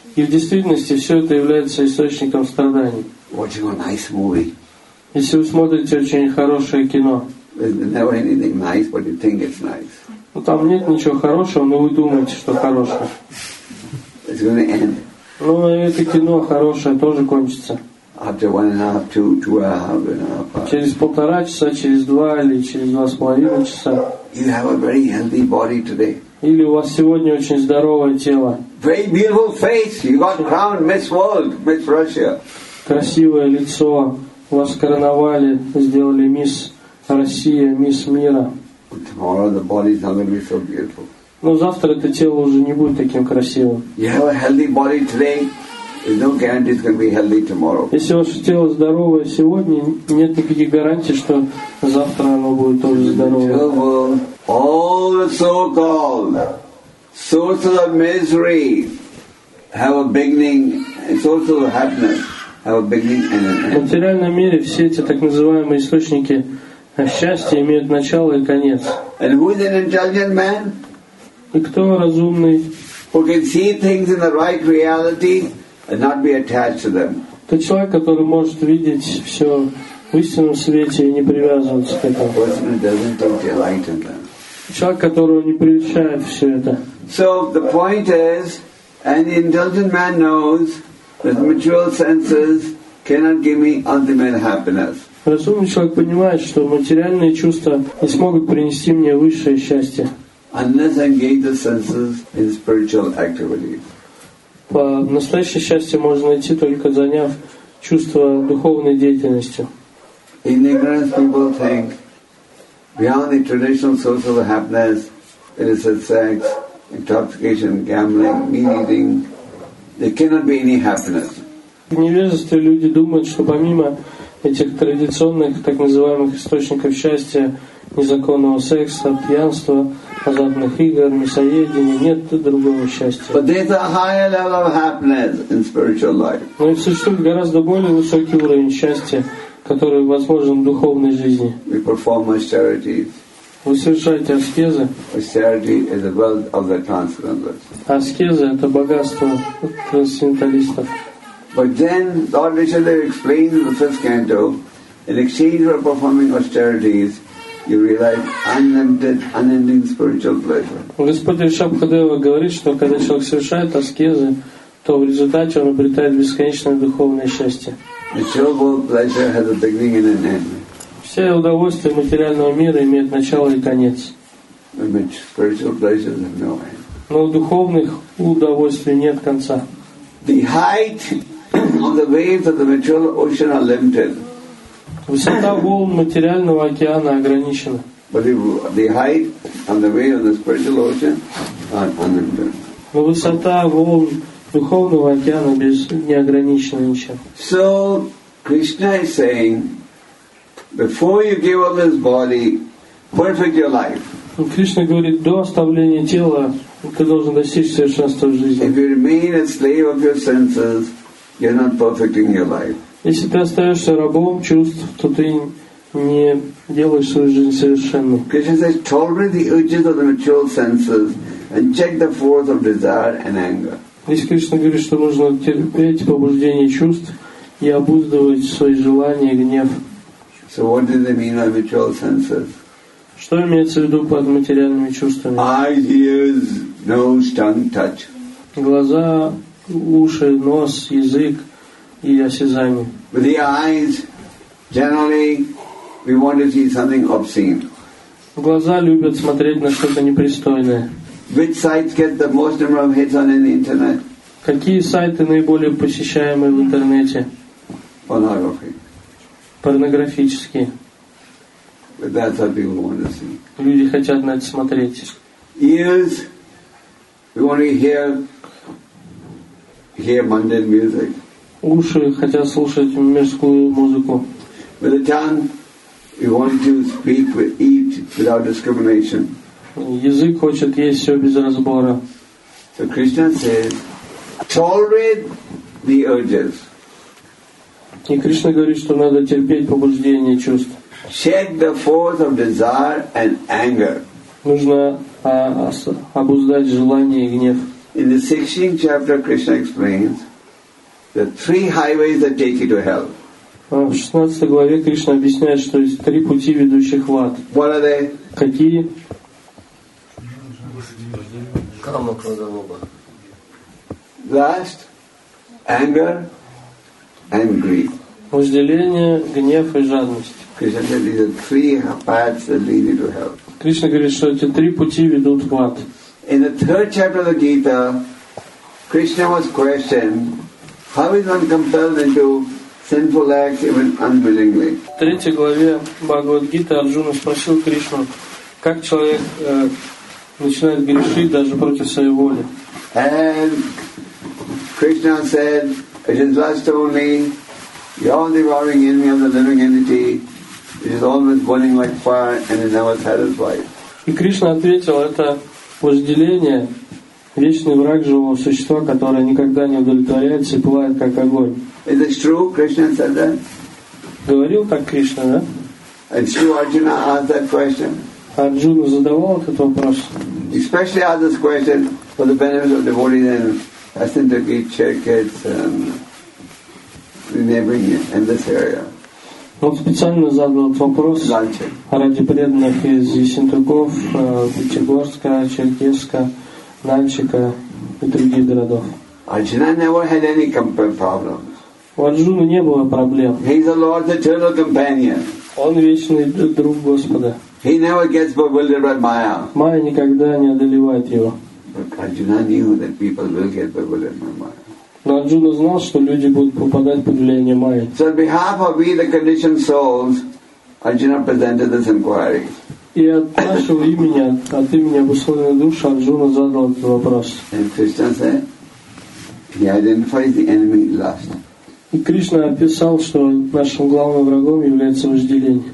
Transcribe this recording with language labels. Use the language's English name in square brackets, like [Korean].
[Russian] И в действительности все это является источником страданий. [English] Watching a nice movie. [Russian] Если вы смотрите очень хорошее кино. [English] There's never anything nice, but you think it's nice. [Russian] Ну там нет ничего хорошего, но вы думаете, что хорошее. [English] It's gonna end. [Russian] Ну и это кино хорошее тоже кончится. [English] After one and a half, two and a half. [Russian] Через полтора часа, через два или через два с половиной часа. [English] You have a very healthy body today. [Russian] Или у вас сегодня очень здоровое тело. [English] Very beautiful face. You got crowned Miss World, Miss Russia. [Russian] Красивое лицо. Вас короновали, сделали Мисс Россия, Мисс Мира. [English] Tomorrow the body is not going to be so beautiful. [Russian] Но завтра это тело уже не будет таким красивым. [English] You have a healthy body today. There's no guarantee it's going to be healthy tomorrow. [Russian] Если ваше тело здоровое сегодня, нет никаких гарантий, что завтра оно будет тоже здоровое. [English] All the so-called sources of misery have a beginning, sources of happiness have a beginning and an end. [Russian] В материальном мире все эти так называемые источники счастья имеют начало и конец. [English] And who is an intelligent man? [Russian] И кто разумный? [English] Who can see things in the right reality and not be attached to them? [Russian] Тот человек, который может видеть все в истинном свете и не привязываться к этому. [English] A person who doesn't take delight in them. [Russian] Человек, которого не приучает все это. [English] So the point is, and the intelligent man knows that material senses cannot give me ultimate happiness. [Russian] Разумный человек понимает, что материальные чувства не смогут принести мне высшее счастье. [English] Unless I engage the senses in spiritual activities. [Russian] По настоящее счастье можно найти только заняв чувства духовной деятельностью. [English] In ignorance, people think. Beyond the traditional source of happiness, it is sex, intoxication, gambling, meat eating. There cannot be any happiness. [Russian] В невежестве люди думают, что помимо этих традиционных так называемых источников счастья, незаконного секса, пьянства, азартных игр, мясоедения, нет другого счастья. [English] But there is a higher level of happiness in spiritual life. [Russian] Но существует гораздо более высокий уровень счастья, который возможен в духовной жизни. [English] We perform austerities. [Russian] Вы совершаете аскезы. [English] Austerity is the wealth of the transcendentalists. [Russian] Аскеза — это богатство трансценденталистов. [English] But then Lord Vishnu explains in the fifth canto, in exchange for performing austerities, you realize unlimited, unending spiritual pleasure. [Russian] Господь Шабхадева говорит, что когда человек совершает аскезы, то в результате он обретает бесконечное духовное счастье. [English] Material pleasure has a beginning and an end. [Russian] Все удовольствия материального мира имеют начало и конец. [English] Spiritual pleasures have no end. [Russian] Но у духовных удовольствий нет конца. [English] The height of the waves of the material ocean are limited. [Russian] Высота волн материального океана ограничена. [English] But the height and the wave of the spiritual ocean are unlimited. [Russian] Но высота волн духовного океана без неограниченного ничем. [English] So Krishna is saying, before you give up this body, perfect your life. [Russian] Кришна говорит, до оставления тела ты должен достичь совершенства в жизни. [English] If you remain a slave of your senses, You're not perfect in your life. [Russian] Если ты остаешься рабом чувств, то ты не делаешь свою жизнь совершенно. [English] Krishna says, tolerate the urges of the material senses and check the force of desire and anger. [Russian] Здесь Кришна говорит, что нужно терпеть побуждение чувств и обуздывать свои желания и гнев. [English] So what do they mean by material senses? [Russian] Что имеется в виду под материальными чувствами? [English] Eyes, ears, nose, tongue, touch. [Russian] Глаза, уши, нос, язык и осязание. [English] With the eyes, generally, we want to see something obscene. [Russian] Глаза любят смотреть на что-то непристойное. [English] Which sites get the most number of hits on the internet? [Russian] Какие сайты наиболее посещаемые в интернете? [English] Pornography. [Russian] Порнографические. [English] But that's what people want to see. [Russian] Люди хотят на это смотреть. [English] Ears. We want to hear mundane music. [Russian] Уши хотят слушать мирскую музыку. [English] With the tongue, we want to speak with eat without discrimination. [Russian] Язык хочет есть все без разбора. [English] So Krishna says, tolerate the urges. [Russian] И Кришна говорит, что надо терпеть побуждение чувств. [English] Check the force of desire and anger. [Russian] Нужно обуздать желание и гнев. [English] In the 16th chapter, Krishna explains the three highways that take you to hell. [Russian] В 16 главе Кришна объясняет, что есть три пути, ведущих в ад. [English] What are they? [Russian] Какие? [English] Lust, anger, and greed. [Russian] Вожделение, гнев и жадность. [English] Krishna said these are three paths that lead you to hell. [Russian] Кришна говорит, что эти три пути ведут в ад. [English] In the third chapter of the Gita, Krishna was questioned, how is one compelled into sinful acts even unwillingly? [Russian] В третьей главе Бхагавад-гиты Арджуна спросил Кришну, как человек начинает грешить даже против своей воли. [English] And Krishna said, it is lust only, you're devouring enemy of the living entity, it is always burning like fire and is never satisfied. [Russian] И Кришна ответил, это вожделение, вечный враг живого существа, которое никогда не удовлетворяется и пылает как огонь. [English] Is this true? Krishna said that? [Russian] Говорил так Кришна, да? [English] And true, Arjuna asked that question. [Russian] Арджуна задавал этот вопрос. [English] Especially ask this question for the benefit of devotees and Asindaki, Cherkets, neighboring in this area. [Russian] Он специально задал этот вопрос ради преданных из Ессентуков, Пятигорска, Черкесска, Нальчика и других городов. [English] Arjuna never had any problems. [Russian] У Арджуны не было проблем. [English] He is the Lord's eternal companion. [Russian] Он вечный друг Господа. [English] He never gets bewildered by Maya. [Russian] Майя никогда не одолевает его. [English] But Arjuna knew that people will get bewildered by Maya. [Russian] Но Арджуна знал, что люди будут попадать под влияние Майи. [English] So on behalf of we, the conditioned souls, Arjuna presented this inquiry. [Russian] И от нашего имени, от имени обусловленной души, Арджуна задал этот вопрос. [English] And Krishna said, he identifies the enemy lust. [Russian] И Кришна описал, что нашим главным врагом является вожделение.